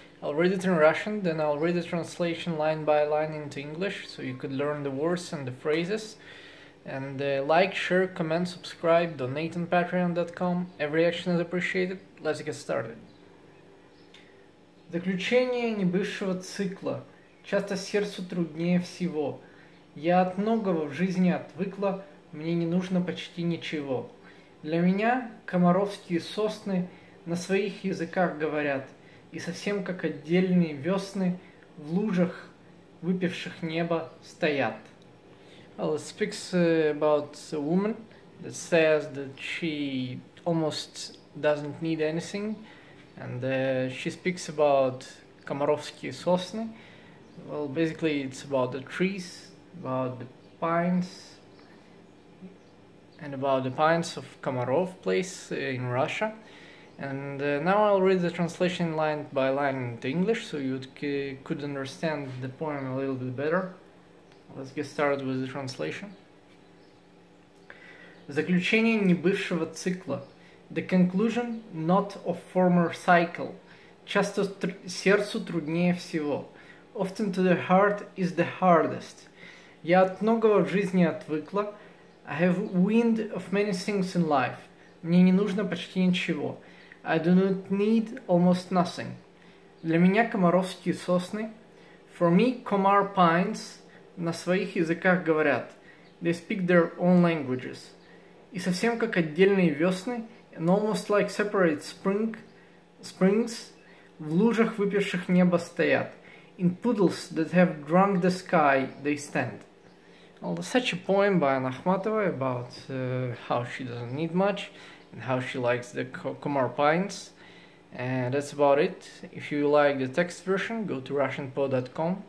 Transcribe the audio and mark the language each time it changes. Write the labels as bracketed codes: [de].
[en] I'll read it in Russian, then I'll read the translation line by line into English so you could learn the words and the phrases. And like, share, comment, subscribe, donate on Patreon.com. Every action is appreciated. Let's get started. [ru] Заключение небывшего цикла. Часто сердцу труднее всего. Я от многого в жизни отвыкла, мне не нужно почти ничего. Для меня комаровские сосны на своих языках говорят, и совсем как отдельные весны в лужах, выпивших небо, стоят. [en] Well, it speaks about a woman that says that she almost doesn't need anything, and she speaks about [ru] комаровские сосны. [en] Well, basically it's about the trees, about the pines, and about the pines of Komarov place in Russia. And now I'll read the translation line by line into English so you could understand the poem a little bit better. Let's get started with the translation. [ru] Заключение небывшего цикла. [en] The conclusion not of former cycle. [ru] Часто сердцу труднее всего. [en] Often to the heart is the hardest. [ru] Я от многого в жизни отвыкла. [en] I have weaned of many things in life. [ru] Мне не нужно почти ничего. [en] I do not need almost nothing. [ru] Для меня комаровские сосны. [en] For me, Komar pines. [ru] На своих языках говорят. [en] They speak their own languages. [ru] И совсем как отдельные весны. [en] And almost like separate springs. [ru] В лужах выпивших небо стоят. [en] In puddles that have drunk the sky, they stand. Well, such a poem by Anna Akhmatova about how she doesn't need much and how she likes the Komar pines. And that's about it. If you like the text version, go to RussianPoet.com.